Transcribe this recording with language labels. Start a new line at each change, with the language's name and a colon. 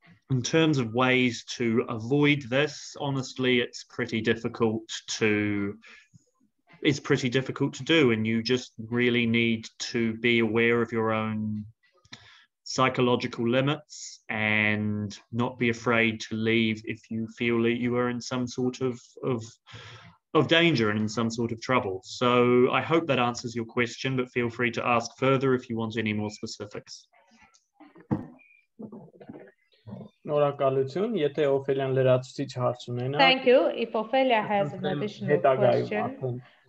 English: In terms of ways to avoid this, honestly, it's pretty difficult to do, and you just really need to be aware of your own psychological limits and not be afraid to leave if you feel that you are in some sort of danger and in some sort of trouble. So I hope that answers your question, but feel free to ask further if you want any more specifics.
Armenian: Նորակալություն, եթե Օֆելյան լրացուցիչ հարց ունենա։
English: Thank you. If Ophelia has an additional question,